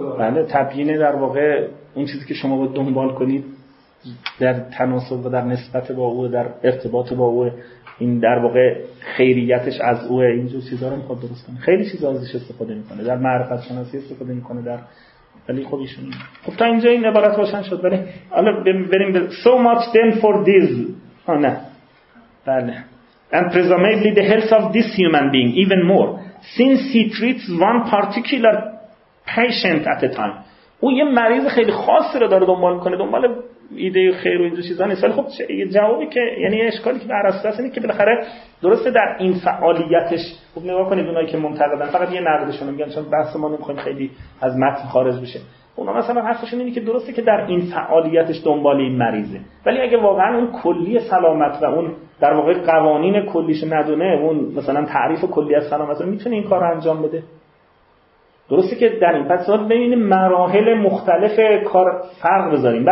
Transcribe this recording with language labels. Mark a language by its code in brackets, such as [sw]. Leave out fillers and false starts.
[fa] بله، تبیین در واقع اون چیزی که شما باید دنبال کنید در تناسب و در نسبت با او، در ارتباط با او، این در واقع خیریتش از او، اینجور چیزا رو میخواد درست کنه. خیلی چیزا ازش استفاده میکنه، در معرفت شناسی استفاده میکنه، در ولی خب ایشون خب تا اینجا این عبارت روشن شد. بله حالا بریم به [en] so much then for this [fa] نه بله [en] and presumably the health of this human being even more since he treats one particular patient at a time. [fa] او یه مریض خیلی خاصی رو داره دنبال میکنه، دنبال ایده خیر و اینجور چیزا نیست. ولی خب جوابی که یعنی اشکالی که به ارسطو هست اینه که بالاخره درسته در این فعالیتش، خب نگاه کنید اونایی که منتقدن، فقط یه نقدشون رو میگن چون بحث ما نمیخوایم خیلی از متن خارج بشه، اونا مثلا حرفشون اینه که درسته که در این فعالیتش دنبال این مریضه، ولی اگه واقعا اون کلی سلامت و اون در واقع قوانین کلیش ندونه، اون مثلا تعریف کلی از سلامت رو میتونه این کارو انجام بده؟ درسته که در این پس ما ببینیم مراحل مختلف کار فرق بذاریم.